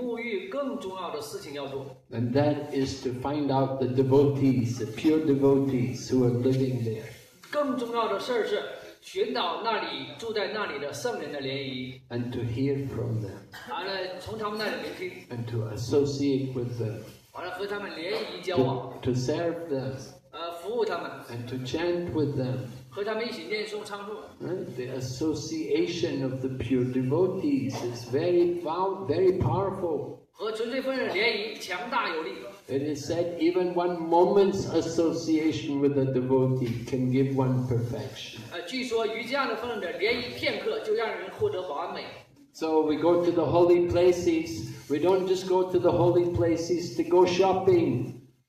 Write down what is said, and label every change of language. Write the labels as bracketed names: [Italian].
[Chinese] 当然了，你去恒河沐浴那特别好，你可以去做。但还有比沐浴更重要的事情要做。 [English] And that is to find out the devotees, the pure devotees who are living there. [Chinese] 更重要的事是。寻找那里住在那里的圣人的联谊， [English] and to hear from them， [Chinese] 完了从他们那里聆听， [English] and to associate with them， [Chinese] 完了和他们联谊交往， [English] to serve them， [Chinese] 服务他们， [English] and to chant with them， [Chinese] 和他们一起念诵唱诵。 [English] The association of the pure devotees is very found very powerful。 [Chinese] 和纯粹奉献者联谊强大有力。 [English] It is said even one moment's association with a devotee can give one perfection. [Chinese] 据说与这样的奉献者联谊片刻，就让人获得完美。 [English] So we go to the holy places. We don't just go to the holy places to go shopping.